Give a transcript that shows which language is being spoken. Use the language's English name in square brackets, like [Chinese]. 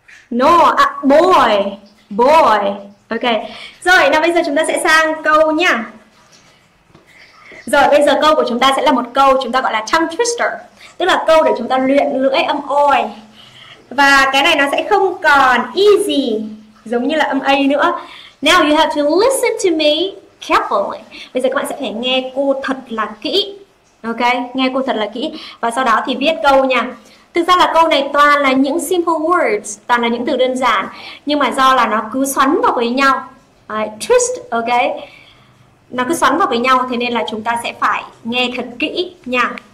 [English] No, à, boy. Boy. Ok. [Vietnamese] Rồi, nào bây giờ chúng ta sẽ sang câu nha. Rồi bây giờ câu của chúng ta sẽ là một câu chúng ta gọi là tongue twister, tức là câu để chúng ta luyện lưỡi âm oi. Và cái này nó sẽ không còn easy giống như là âm a nữa. [English] Now you have to listen to me carefully. [Vietnamese] Bây giờ các bạn sẽ phải nghe cô thật là kỹ. Ok, nghe cô thật là kỹ và sau đó thì viết câu nha. Thực ra là câu này toàn là những [English] simple words, [Vietnamese] toàn là những từ đơn giản, nhưng mà do là nó cứ xoắn vào với nhau. Twist, ok. Nó cứ xoắn vào với nhau, thế nên là chúng ta sẽ phải nghe thật kỹ nha.